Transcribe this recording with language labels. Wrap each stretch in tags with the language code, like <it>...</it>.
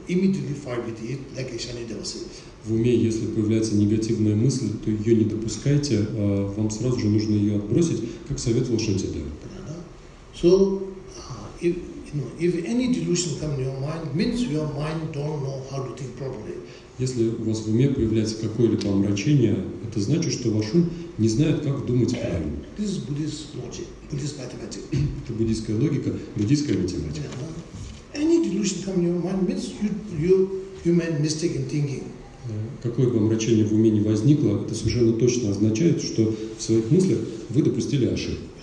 <en>Immediately fight with it, like a shiny devil.</en> <ru>В уме, если появляется негативная мысль, то ее не допускайте, вам сразу же нужно ее отбросить, как советовал Шантидев.</ru> <en>So, if, you know, if any delusion comes in your mind, means your mind don't know how to think properly.</en> <ru>Если у вас в уме появляется какое-либо омрачение, это значит, что ваш ум не знает, как думать правильно.</ru> <en>This is Buddhist logic, Buddhist mathematics.</en> <ru>Это буддийская логика, буддийская математика.</ru> <en>Any delusion comes in your mind means you made mistake in thinking.</en> <ru>Какое бы омрачение в уме не возникло, это совершенно точно означает, что в своих мыслях вы допустили ошибку.</ru>